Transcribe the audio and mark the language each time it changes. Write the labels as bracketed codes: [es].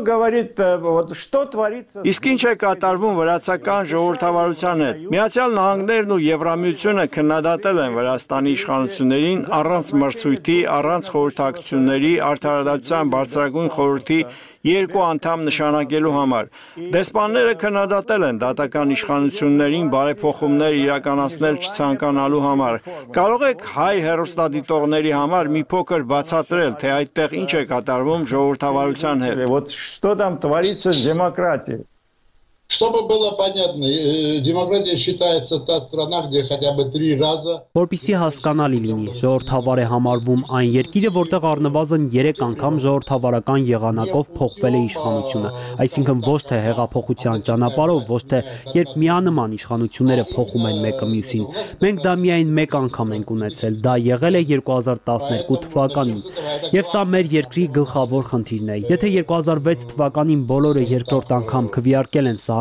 [hy] Իսկ ինչ է կատարվում վրացական ժողովրդավարության հետ։ Միացյալ Նահանգներն ու Եվրամիությունը քննադատել են Վրաստանի իշխանություններին առանց մրցույթի, առանց խորհրդակցությունների, արդարադատության բարձրագույն խորհրդի 2 անդամ նշանակելու համար։ Դեսպանները քննադատել են դատական իշխանություններին բարեփոխումներ իրականացնել չցանկանալու համար։ Կարող եք հայ հեռուստադիտողների համար մի փոքր բացատրել, թե այդտեղ ինչ է կատարվում ժողովրդավարության հետ։ [ru] Вот что там творится с демократией? Чтобы было понятно, демократия считается та страна, где хотя бы 3 раза [hy] Որպեսզի հասկանալի լինի, ժողովրդավար է համարվում այն երկիրը, որտեղ առնվազն 3 անգամ ժողովրդավարական եղանակով փոխվել է իշխանությունը, այսինքն ոչ թե հեղափոխության ճանապարհով, ոչ թե երբ միանման իշխանությունները փոխում են մեկը մյուսին։ Մենք դա միայն 1 անգամ ենք ունեցել, դա եղել է 2012 թվականին, և սա մեր երկրի գլխավոր խնդիրն է։ Եթե 2006 թվականին բոլորը երկրորդ անգամ քվեարկել են Սահակաշվիլին,